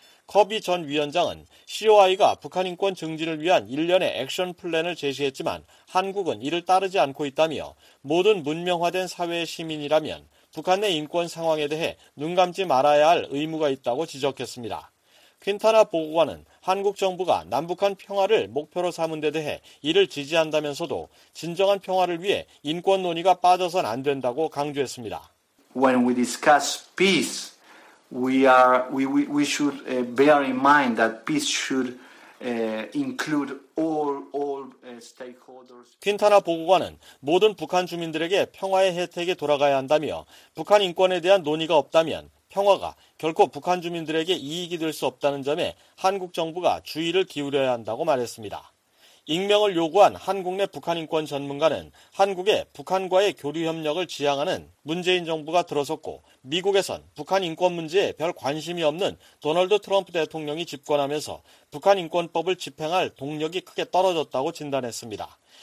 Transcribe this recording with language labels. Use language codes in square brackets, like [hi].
[ko] 커비 전 위원장은 COI가 북한인권 증진을 위한 일련의 액션 플랜을 제시했지만 한국은 이를 따르지 않고 있다며 모든 문명화된 사회의 시민이라면 북한 내 인권 상황에 대해 눈 감지 말아야 할 의무가 있다고 지적했습니다. 퀸타나 보고관은 한국 정부가 남북한 평화를 목표로 삼은 데 대해 이를 지지한다면서도 진정한 평화를 위해 인권 논의가 빠져선 안 된다고 강조했습니다. [en] When we discuss peace, we should bear in mind that peace should include all stakeholders. [ko] 퀸타나 보고관은 모든 북한 주민들에게 평화의 혜택에 돌아가야 한다며 북한 인권에 대한 논의가 없다면 평화가 결코 북한 주민들에게 이익이 될 수 없다는 점에 한국 정부가 주의를 기울여야 한다고 말했습니다. 익명을 요구한 한국 내 북한인권 전문가는 한국에 북한과의 교류협력을 지향하는 문재인 정부가 들어섰고 미국에선 북한 인권 문제에 별 관심이 없는 도널드 트럼프 대통령이 집권하면서 북한 인권법을 집행할 동력이 크게 떨어졌다고 진단했습니다.